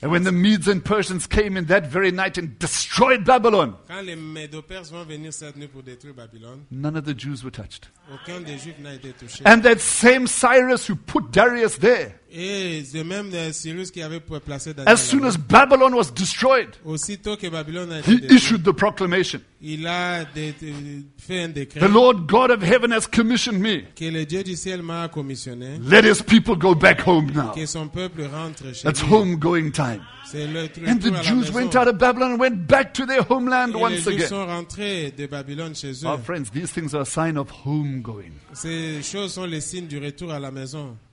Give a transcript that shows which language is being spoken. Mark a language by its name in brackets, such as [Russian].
[English] and when the Medes and Persians came in that very night and destroyed Babylon, [French] quand les Médo-Perses vont venir cette nuit pour détruire Babylon, [English] none of the Jews were touched. [French] Aucun des Juifs n'a été touché. [English] And that same Cyrus who put Darius there, [French] et de même de Cyrus qui avait placé [English] as soon as Babylon was destroyed, [French] aussitôt que Babylon a été [English] he issued the proclamation. [French] Il a fait un décret. [English] The Lord God of heaven has commissioned me. [French] Que le Dieu du ciel m'a commissionné. [English] Let his people go back home now. [French] Que son peuple rentre chez [English] that's home going time. [French] C'est le truc [English] and the Jews went out of Babylon and went back to their homeland [French] et [English] once [French] les Juifs [English] again. [French] Sont rentrés de Babylone chez eux. [English] Our friends, these things are a sign of home going. [French] Ces choses sont les signes du retour à la maison.